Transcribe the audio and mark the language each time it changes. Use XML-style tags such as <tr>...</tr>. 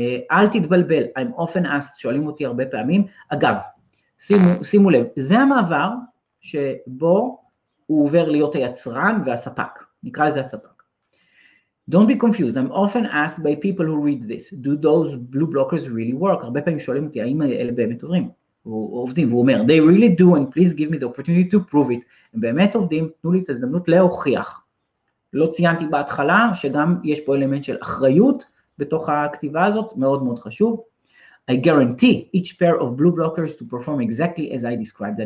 <he>אל תתבלבל,</he> <en>I'm often asked,</en> <he>שואלים אותי הרבה פעמים. אגב, שימו לב, זה המעבר שבו הוא עובר להיות היצרן והספק, נקרא לזה הספק.</he> <en>Don't be confused, I'm often asked by people who read this, do those blue blockers really work?</en> <he>הרבה פעמים שואלים אותי, האם אלה באמת עוברים? עובדים, והוא אומר,</he> <en>they really do, and please give me the opportunity to prove it.</en> <he>הם באמת עובדים, תנו לי את הזדמנות להוכיח. לא ציינתי בהתחלה, שגם יש פה אלמנט של אחריות, בתוך הכתיבה הזאת, מאוד מאוד חשוב.</he> <en>I guarantee each pair of blue blockers to perform exactly as I described.</en>